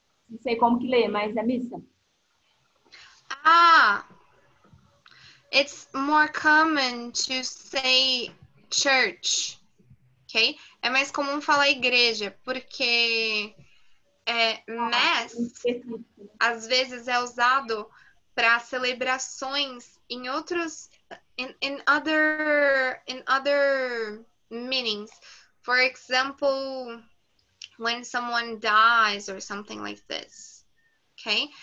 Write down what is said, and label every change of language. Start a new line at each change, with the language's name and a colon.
Portuguese: Não sei como que lê, mas é missa.
English: Ah, it's more common to say church, ok?
Portuguese: É mais comum falar igreja, porque é, mass, às vezes, é usado para celebrações em outros,
English: in other meanings. For example, when someone dies or something like this, ok?